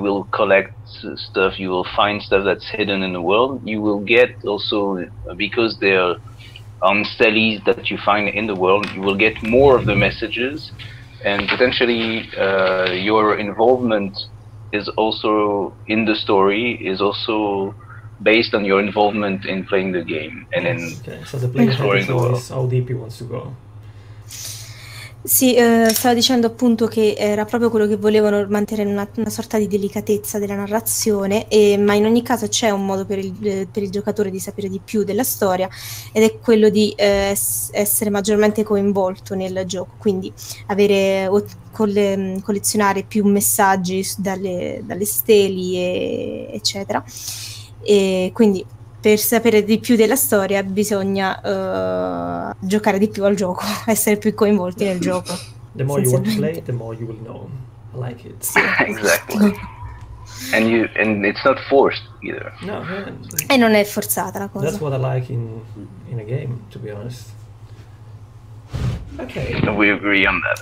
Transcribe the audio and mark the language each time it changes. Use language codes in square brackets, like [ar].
[en] collect stuff, you will find stuff that's hidden in the world, you will get also, because there are stelies that you find in the world, you will get more of the messages, and potentially your involvement is also in the story, is also based on your involvement in playing the game and in exploring the world. How deep he wants to go. [it] Sì, stavo dicendo appunto che era proprio quello che volevano, mantenere una sorta di delicatezza della narrazione, ma in ogni caso c'è un modo per il giocatore di sapere di più della storia, ed è quello di essere maggiormente coinvolto nel gioco, quindi collezionare più messaggi dalle stele, eccetera. E quindi per sapere di più della storia bisogna giocare di più al gioco, essere più coinvolti nel gioco. [en] The more you want to play, the more you will know. I like it. Exactly. And it's not forced either. No. [it] E non è forzata la cosa. [en] That's what I like in a game, to be honest. Okay. And we agree on that.